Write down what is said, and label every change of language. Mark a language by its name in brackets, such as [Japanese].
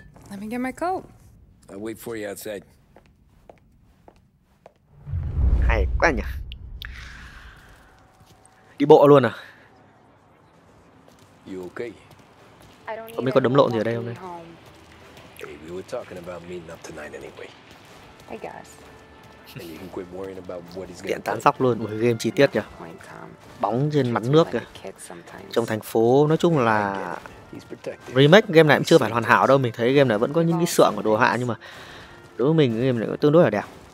[English] Let me get my coat. I'll wait for you outside. [Vietnamese] Hay quá nhỉ. Đi bộ luôn à? [English] You okay? [Vietnamese] Không biết có đấm lộn gì ở đây không đây. [English] We were talking about meeting up tonight anyway. I guess. And you can quit worrying about what he's gonna do. [Vietnamese] Luôn một game chi tiết nhỉ. Bóng trên mặt nước kìa. Trong thành phố nói chung là remake game này cũng chưa phải hoàn hảo đâu. Mình thấy game này vẫn có những cái sượng của đồ họa nhưng mà đối với mình cái game này tương đối là đẹp.